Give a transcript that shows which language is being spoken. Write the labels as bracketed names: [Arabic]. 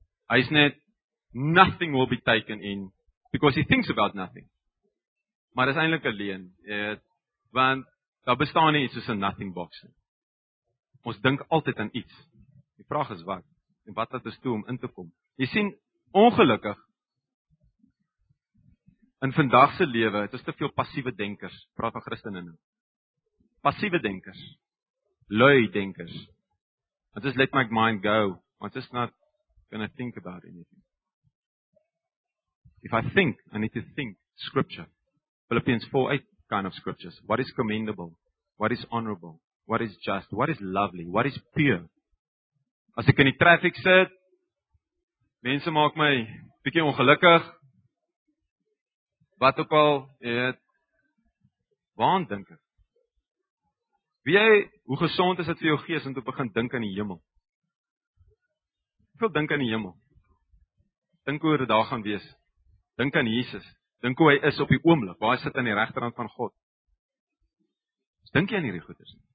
[Afrikaans] Hy's net [English] nothing will be taken in because he thinks about nothing. [Afrikaans] Maar dit is eintlik 'n leuen, want daar bestaan nie iets soos 'n nothing box nie. Ons dink altyd aan iets. Die vraag is wat en wat het ons toe om in te kom? Jy sien, ongelukkig in vandag se lewe het ons te veel passiewe denkers, praat van Christene nou. Passiewe denkers. Lui denkers. Want dit is [English] let my mind go, want it's not gonna think about anything. If I think, I need to think scripture. Philippians 4:8 kind of scriptures. What is commendable? What is honorable? What is just? What is lovely? What is pure? [Afrikaans] As ek in die traffic sit, mense maak my bietjie ongelukkig. Wat ook al, waaraan dink ek? Weet jy, hoe gesond is dit vir jou gees om te begin dink aan die hemel? Hoeveel dink aan die hemel? Dink hoe dit daar gaan wees. Dink aan Jesus. Dink hoe hy is op die oomblik. Waar hy sit aan die regterhand van God. Dink jy aan hierdie goeders?